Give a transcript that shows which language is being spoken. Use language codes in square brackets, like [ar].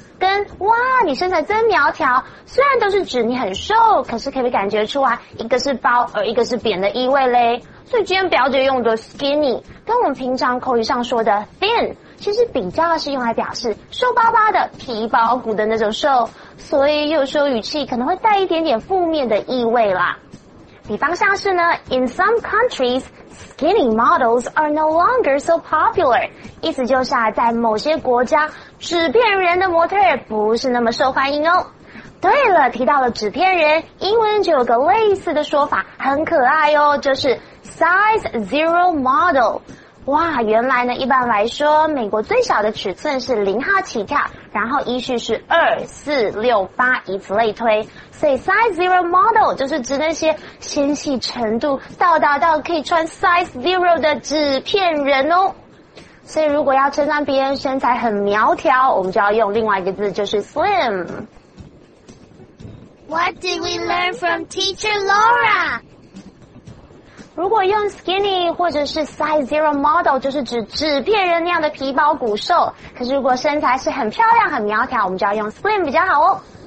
[zh] 跟哇，你身材真苗条，虽然都是指你很瘦，可是可以感觉出来一个是包，而一个是扁的意味勒。所以今天表姐用的 skinny 跟我们平常口语上说的 thin 其实比较是用来表示瘦巴巴的皮包骨的那种瘦，所以有时候语气可能会带一点点负面的意味啦。比方像是呢， [en] In some countries, skinny models are no longer so popular. [zh] 意思就是啊，在某些国家，纸片人的模特儿不是那么受欢迎哦。对了，提到了纸片人，英文就有个类似的说法，很可爱哦，就是 size zero model。哇，原来呢，一般来说，美国最小的尺寸是0号起跳，然后依序是2、4、6、8，以此类推。所以 size zero model 就是指那些纤细程度到达到可以穿 size zero 的纸片人哦。所以如果要称赞别人身材很苗条，我们就要用另外一个字，就是 slim。 [en] What did we learn from teacher Laura? [zh] 如果用 skinny 或者是 size zero model 就是指纸片人那样的皮包骨瘦，可是如果身材是很漂亮很苗条，我们就要用 slim 比较好哦。